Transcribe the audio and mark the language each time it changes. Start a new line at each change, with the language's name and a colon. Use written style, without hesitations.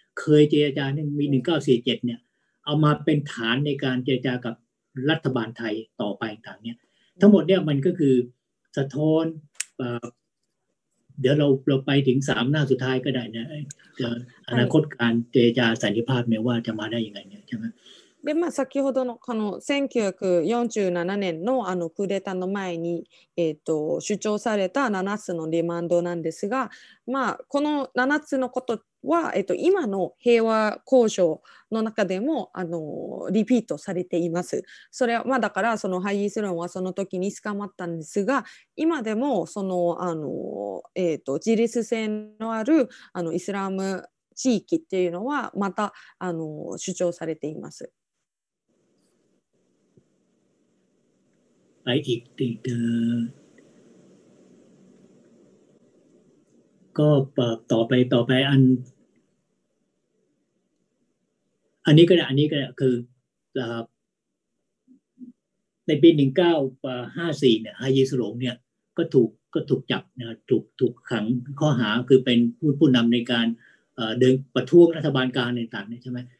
Thai: เคยเจรจาเนี่ยมี1947เนี่ยเอามาเป็นฐานในการเจรจากับรัฐบาลไทยต่อไปต่างๆเนี่ยทั้งหมดเนี่ยมันก็คือสะท้อนเดี๋ยวเราไปถึง3หน้าสุดท้ายก็ได้นะจะอนาคตการเจรจาสันติภาพเนี่ยว่าจะมาได้ยังไงเนี่ยใช่มั้ย
Japanese: でまあ先ほどのこの1947年のあのクーデターの前に主張された7つのリマンドなんですが、まあこの7つのことは今の平和交渉の中でもあのリピートされています。それはまあだからそのハイイースロンはその時に捕まったんですが、今でもそのあの自立性のあるあのイスラム地域っていうのはまたあの主張されています。
Thai: ไปอีกติดก็ปรับต่อไปอันนี้ก็ได้อันนี้ก็ได้คือในปี1954เนี่ยฮายีสโลงเนี่ยก็ถูกจับนะถูกขังข้อหาคือเป็นผู้นำในการเดินประท้วงรัฐบาลกลางต่างๆใช่ไหม